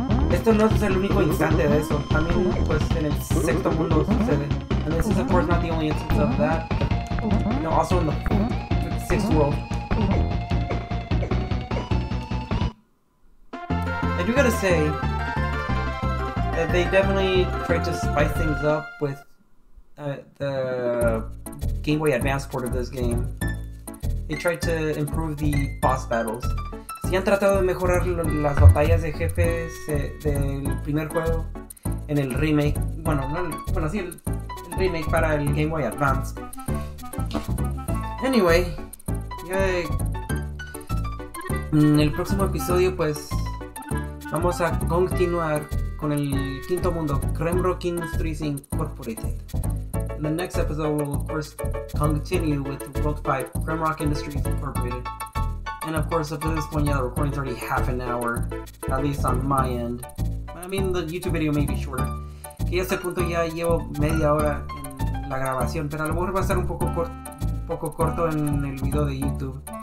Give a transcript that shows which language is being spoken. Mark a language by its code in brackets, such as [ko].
[es] Esto no es el único instante de eso. También, pues, en el sexto mundo sucede. [en] And this is, of course, not the only instance of that. No, also in the sixth world. And you gotta say that they definitely tried to spice things up with the Game Boy Advance port of this game. They tried to improve the boss battles. [es] Si han tratado de mejorar las batallas de jefes del primer juego en el remake. Bueno, no, bueno, sí, el remake para el Game Boy Advance. [en] Anyway, ya en el próximo episodio, pues vamos a continuar con el quinto mundo, Kremrock Industries Incorporated. In the next episode, we'll of course continue with World 5, Kremrock Industries Incorporated. And of course, up to this point, yeah, the recording's already half an hour, at least on my end. I mean, the YouTube video may be shorter. [es] Que a este punto ya llevo media hora en la grabación, pero a lo mejor va a ser un poco corto en el video de YouTube.